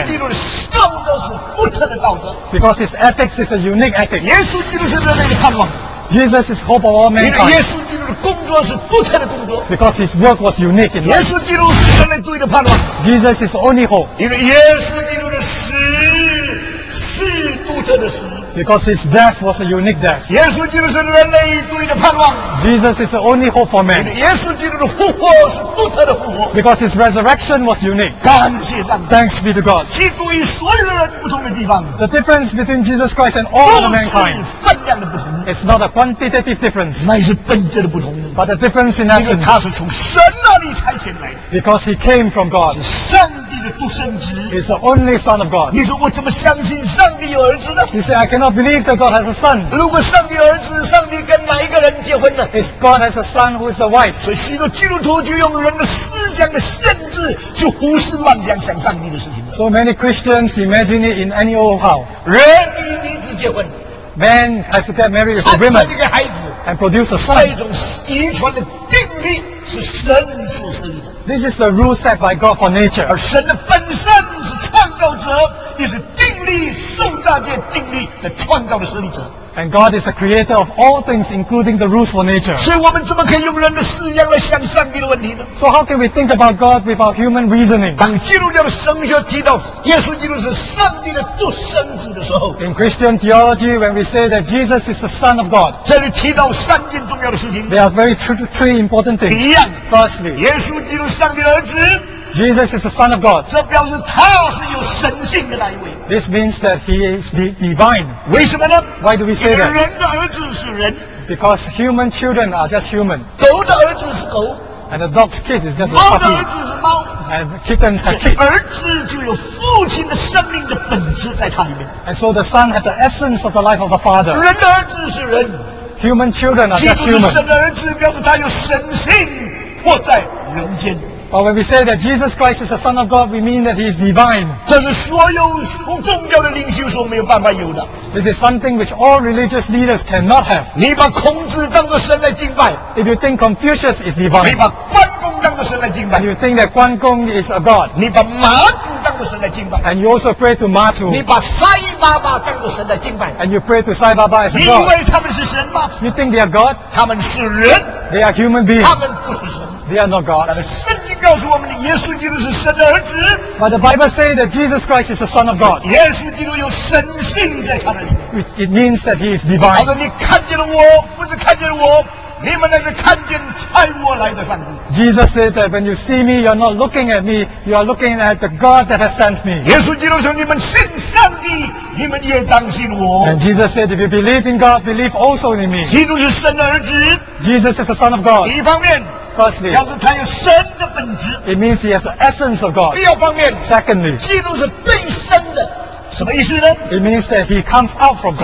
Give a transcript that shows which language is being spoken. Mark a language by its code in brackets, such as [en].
[zh] 耶稣基督的道德是独特的道德。 [en] Because his ethics is a unique ethics. [zh] 耶稣基督是人类的盼望。 [en] Jesus is hope of all mankind. [zh] 耶稣基督的工作是独特的工作。 [en] Because his work was unique in life. [zh] 耶稣基督是人类独一的盼望。 [en] Jesus is only hope. [zh] 因为耶稣基督的死是独特的死。 [en] Because his death was a unique death. [zh] 耶稣基督是人类独一的盼望。 [en] Jesus is the only hope for man. [zh] 耶稣基督的复活是独特的复活。 [en] Because his resurrection was unique. [zh] 感谢上帝。 [en] Thanks be to God. [zh] 基督与所有人不同的地方。 [en] The difference between Jesus Christ and all of mankind. [zh] 都是分量的不同。 [en] It's not a quantitative difference. [zh] 乃是本质的不同。 [en] But the difference in essence. [zh] 因为他是从神那里差遣来的。 [en] Because he came from God. [zh] 是上帝的独生子。 [en] He's the only son of God. [zh] 你说我怎么相信上帝有儿子呢？ [en] You say I cannot believe that God has a son. [zh] 如果上帝有儿子，上帝跟哪一个人结婚呢？ [en] If God has a son, who is the wife? [zh] 所以许多基督徒就用人的思想的限制去胡思乱想想上帝的事情。 [en] So many Christians imagine it in any old how. [zh] 人以名字结婚。 [en] Man has to get married with a woman and produce a son. [zh] 这种遗传的定律是神所设立的。 [en] This is the rule set by God for nature. [zh] 而神的本身是创造者，也是定律受大界定律的创造的设立者。 [en] And God is the creator of all things, including the rules for nature. [zh] 所以我们怎么可以用人的思想来想上帝的问题呢？ [en] So how can we think about God without human reasoning? [zh] 当基督教的神学提到耶稣基督是上帝的独生子的时候， [en] In Christian theology, when we say that Jesus is the Son of God, [zh] 这里提到三件重要的事情。 [en] There are very three important things. [zh] 第一样， [en] Firstly, [zh] 耶稣基督上帝儿子。 [en] Jesus is the Son of God. [zh] 这表示他是有神性的那一位。 [en] This means that he is divine. [zh] 为什么呢？ [en] Why do we say that? [zh] 人的儿子是人。 [en] Because human children are just human. [zh] 狗的儿子是狗。 [en] And a dog's kid is just a [zh] puppy. 猫的儿子是猫。 [en] And kittens are kittens. [zh] 儿子就有父亲的生命的本质在他里面。 [en] And so the son has the essence of the life of the father. [zh] 人的儿子是人。 [en] Human children are just human. [zh] 基督是神的儿子，表示他有神性活在人间。 [en] But when we say that Jesus Christ is the Son of God, we mean that He is divine. [zh] 这是所有宗教的领袖所没有办法有的。 [en] This is something which all religious leaders cannot have. [zh] 你把孔子当作神来敬拜。 [en] If you think Confucius is divine. [zh] 你把关公当作神来敬拜。 [en] And you think that 关公 is a god. [zh] 你把马祖当作神来敬拜。 [en] And you also pray to 马祖。 [zh] 你把塞巴巴当作神来敬拜。 [en] And you pray to 塞巴巴 as a god. [zh] 你以为他们是神吗？ [en] You think they are god? [zh] 他们是人。 [en] They are human beings. [zh] 他们不是神。 [en] They are not God. [zh] 但是圣经告诉我们的耶稣基督是神的儿子。 [en] But the Bible says that Jesus Christ is the Son of God. [zh] 耶稣基督有神性在他的里面。 [en] It means that he is divine. [zh] 好的，你看见了我，不是看见我，你们那是看见差我来的上帝。 [en] Jesus said that when you see me, you are not looking at me, you are looking at the God that has sent me. [zh] 耶稣基督说，你们信上帝，你们也当信我。 [en] And Jesus said, if you believe in God, believe also in me. [zh] 基督是神的儿子。 [en] Jesus is the Son of God. [zh] 一方面。 [en] Firstly, [zh] 要是他有神的本质 [en] it means he has the essence of God. [zh] 第二方面 [en] Secondly, [zh] 基督是被生的什么意思呢？ [en] It means that he comes out from God.